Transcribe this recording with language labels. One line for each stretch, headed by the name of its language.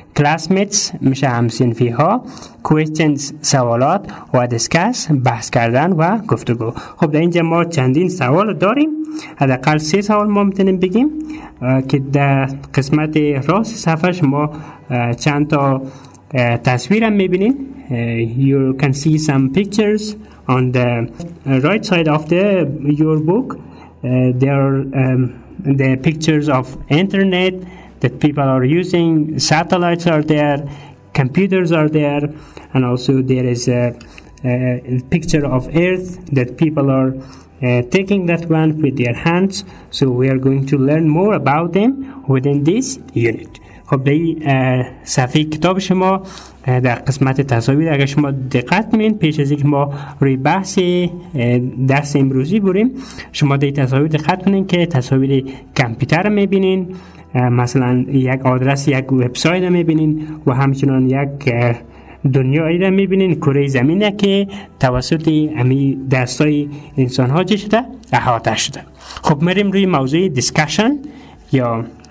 Persian: Classmates میشه همسنفی ها. Questions سوالات و discuss بحث کردن و گفتگو. خب در اینجا ما چندین سوال داریم. حداقل 3 سوال ما میتونیم بگیم که در قسمت راست صفحه ما چند تا تصویر هم میبینین.
English: You can see some pictures on the right side of the your book. There are the pictures of internet that people are using. Satellites are there, computers are there, and also there is a picture of Earth that people are taking that one with their hands. So we are going to learn more about them within this unit.
Persian: خب به صفحه کتاب شما در قسمت تصاویر اگر شما دقت می‌کنین پیش از اینکه ما روی بحث درس امروزی بریم شما در تصاویر دقت کنین که تصاویر کامپیوتر می‌بینین مثلا یک آدرس یک وبسایت می‌بینین و همچنان یک دنیای را می‌بینین کره زمین که توسط همین دستای انسان‌ها چه شده احاطه شده خب می‌ریم روی موضوع دیسکشن یا